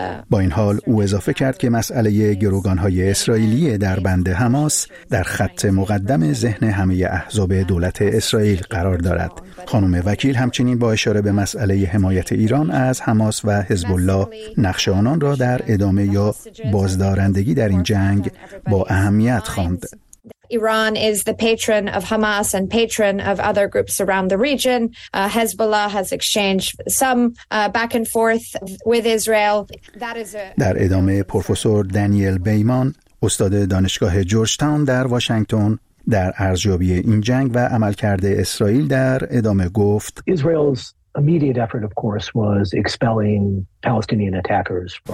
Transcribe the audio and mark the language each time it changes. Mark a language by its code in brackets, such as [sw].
[fa] با این حال او اضافه کرد که مسئله گروگان‌های اسرائیلی در بند حماس در خط مقدم ذهن همه احزاب دولت اسرائیل قرار دارد. خانم وکیل همچنین با اشاره به مسئله حمایت ایران از حماس و حزب الله نقش آنان را در ادامه یا بازدارندگی در این جنگ با اهمیت خواند. [en] Iran is the patron of Hamas and patron of other groups around the region. Hezbollah has exchanged some back and forth with Israel. [fa] در ادامه پروفسور دانیل بیمان استاد دانشگاه جورج تاون در واشنگتن در ارزیابی این جنگ و عملکرد اسرائیل در ادامه گفت [en] immediate effort of course was expelling Palestinian attackers from...